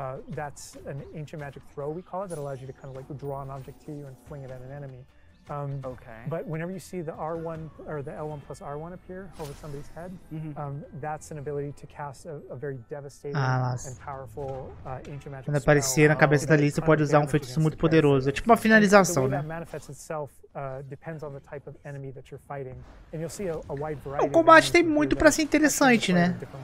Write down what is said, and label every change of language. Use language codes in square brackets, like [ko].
[en] That's an ancient magic throw, we call it, that allows you to kind of like draw an object to you and fling it at an enemy. Okay. But whenever you see the R1 or the L1 plus R1 appear over somebody's head, that's an ability to cast a very devastating and powerful ancient magic spell. [pt] Aparecer na cabeça dali, você pode usar um feitiço muito poderoso. É tipo uma finalização, né? [en] That manifests itself depends on the type of enemy that you're fighting. And you'll see a wide variety. [pt] O combate tem muito para ser interessante, né?